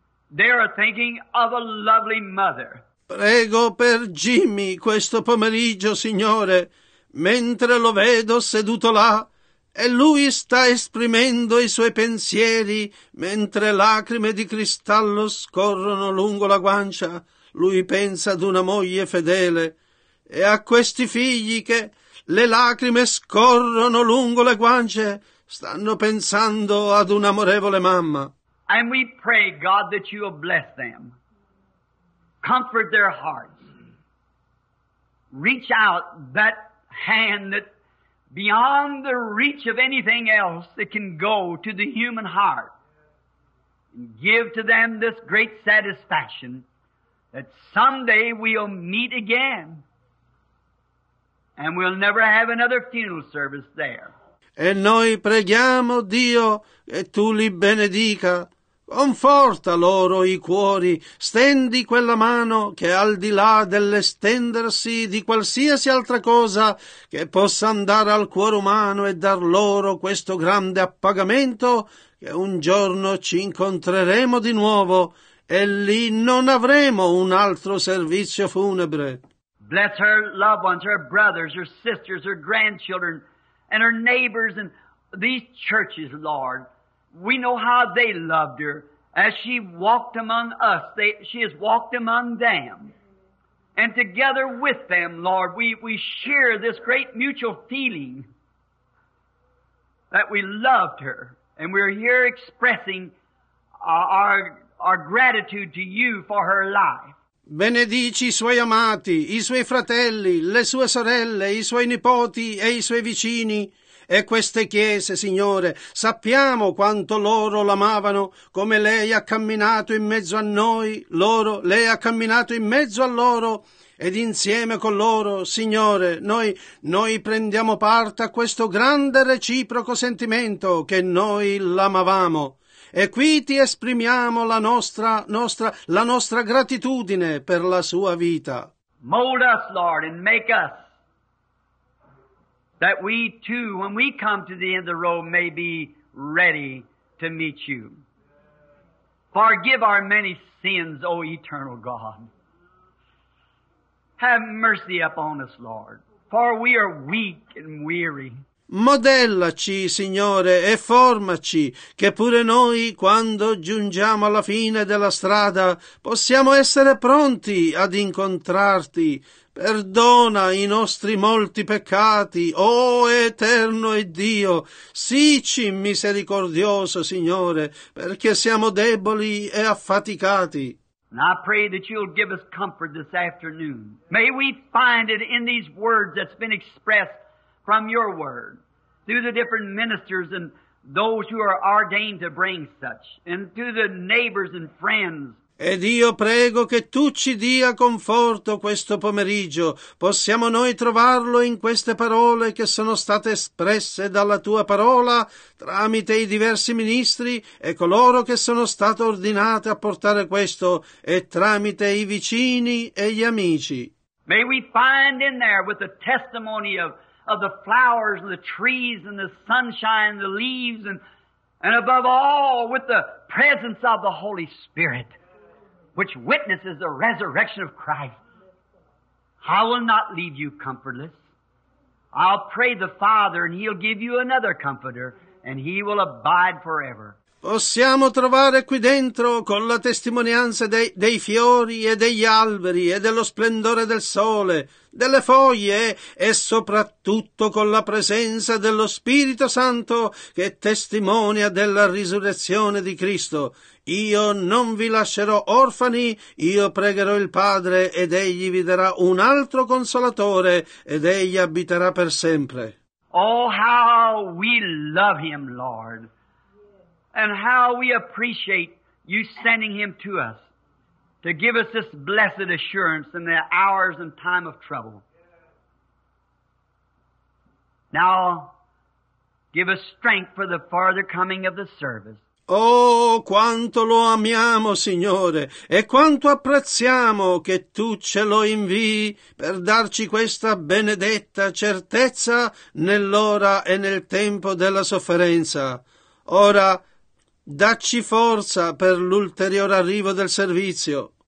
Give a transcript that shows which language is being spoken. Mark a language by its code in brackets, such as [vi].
[en] They are thinking of a lovely mother. [it] Prego per Jimmy questo pomeriggio, Signore, mentre lo vedo seduto là e lui sta esprimendo i suoi pensieri mentre lacrime di cristallo scorrono lungo la guancia. Lui pensa ad una moglie fedele e a questi figli che le lacrime scorrono lungo le guance stanno pensando ad un'amorevole mamma. [en] And we pray, God, that you will bless them, comfort their hearts, reach out that hand that beyond the reach of anything else that can go to the human heart, and give to them this great satisfaction that someday we'll meet again and we'll never have another funeral service there. [it] E noi preghiamo, Dio, che tu li benedica. Conforta loro i cuori, stendi quella mano che al di là dell'estendersi di qualsiasi altra cosa che possa andare al cuore umano e dar loro questo grande appagamento che un giorno ci incontreremo di nuovo e lì non avremo un altro servizio funebre. [en] Bless her loved ones, her brothers, her sisters, her grandchildren, and her neighbors, and these churches, Lord. We know how they loved her. As she walked among us, she has walked among them. And together with them, Lord, we share this great mutual feeling that we loved her. And we're here expressing our gratitude to you for her life. [it] Benedici i suoi amati, i suoi fratelli, le sue sorelle, i suoi nipoti e i suoi vicini e queste chiese, Signore. Sappiamo quanto loro l'amavano, come lei ha camminato in mezzo a noi, loro, lei ha camminato in mezzo a loro ed insieme con loro, Signore, noi prendiamo parte a questo grande reciproco sentimento che noi l'amavamo. E qui ti esprimiamo la nostra gratitudine per la sua vita. [en] Mold us, Lord, and make us that we too, when we come to the end of the road, may be ready to meet you. Forgive our many sins, O eternal God. Have mercy upon us, Lord, for we are weak and weary. [it] Modellaci, Signore, e formaci, che pure noi, quando giungiamo alla fine della strada, possiamo essere pronti ad incontrarti. Perdona i nostri molti peccati, o Eterno e Dio, sicci misericordioso, Signore, perché siamo deboli e affaticati. [en] And I pray that you'll give us comfort this afternoon. May we find it in these words that's been expressed from your word, through the different ministers and those who are ordained to bring such, and to the neighbors and friends. [it] Ed io prego che tu ci dia conforto questo pomeriggio. Possiamo noi trovarlo in queste parole che sono state espresse dalla tua parola tramite i diversi ministri e coloro che sono state ordinate a portare questo e tramite i vicini e gli amici. [en] May we find in there with the testimony of of the flowers and the trees and the sunshine and the leaves and above all with the presence of the Holy Spirit, which witnesses the resurrection of Christ. I will not leave you comfortless. I'll pray the Father and He'll give you another comforter and He will abide forever. [it] Possiamo trovare qui dentro, con la testimonianza dei fiori e degli alberi e dello splendore del sole, delle foglie e soprattutto con la presenza dello Spirito Santo che testimonia della risurrezione di Cristo. Io non vi lascerò orfani, io pregherò il Padre ed Egli vi darà un altro Consolatore ed Egli abiterà per sempre. [en] Oh, how we love Him, Lord! And how we appreciate you sending him to us to give us this blessed assurance in the hours and time of trouble. Now, give us strength for the farther coming of the service. [it] Oh, quanto lo amiamo, Signore, e quanto apprezziamo che tu ce lo invii per darci questa benedetta certezza nell'ora e nel tempo della sofferenza. Ora, dacci forza per l'ulteriore arrivo del servizio.